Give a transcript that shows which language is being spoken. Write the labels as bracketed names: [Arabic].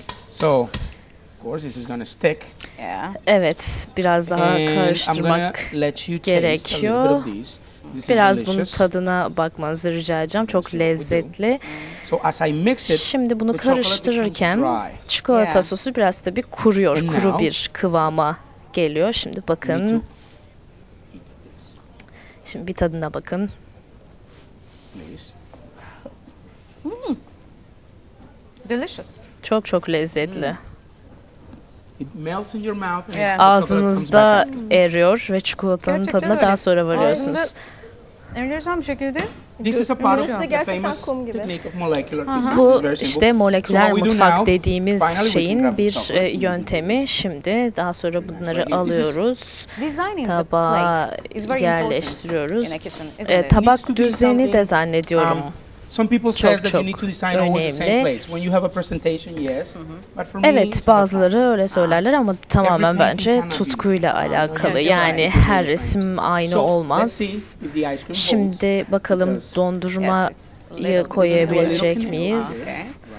[English] So, of course this is gonna stick. Yeah. [Turkish] Evet, biraz daha karıştırmak gerekiyor. Biraz bunun tadına bakmanızı rica edeceğim. Çok lezzetli. Şimdi bunu karıştırırken çikolata sosu biraz da bir kuruyor. Kuru bir kıvama geliyor. Şimdi bakın. Şimdi bir tadına bakın. [English] Delicious. [Turkish] Çok çok lezzetli. [English] It melts in your mouth and [Turkish] ağzınızda eriyor ve çikolatanın gerçekten tadına öyle. Daha sonra varıyorsunuz. Enteresan bir şekilde. [English] This is a part of the famous technique of molecular cuisine. [Turkish] Bu işte moleküler mutfak dediğimiz şeyin bir yöntemi. Şimdi daha sonra bunları alıyoruz. Tabağa yerleştiriyoruz. Tabak düzeni de zannediyorum. [English] Some people say that you need to design always the same plates. When you have a presentation, yes. But for me, [Turkish] evet, bazıları öyle söylerler ama tamamen bence tutkuyla alakalı. Yani her resim aynı olmaz. Şimdi bakalım dondurmayı koyabilecek miyiz?